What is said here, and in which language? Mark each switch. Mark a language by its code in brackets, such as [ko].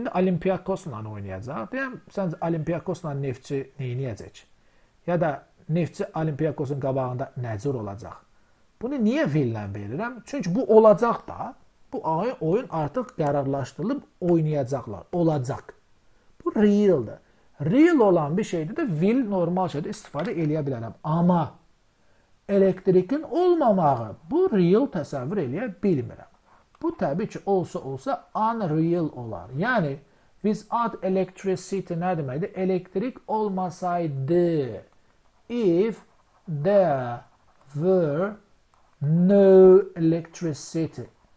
[az] İndi Olympiakos'la oynayacaq. Deyəm, sən Olympiakos'la Neftçi neynəyəcək? Ya da Neftçi Olympiakos'un qabağında nəcür olacaq? Bunu niyə villan verirəm? Çünki bu olacaq da, bu ayı oyun artıq qərarlaşdırılıb oynayacaqlar. Olacaq. Bu real'dır. Real olan bir şeydir de will normal şeydir. İstifadə eləyə bilərəm. Ama elektrikin olmamağı bu real təsəvvür eləyə bilmirəm. Bu təbii ki olsa-olsa unreal olar. Yəni [en] without electricity [az] nə deməkdir? Elektrik olmasaydı [en] if there were no electricity.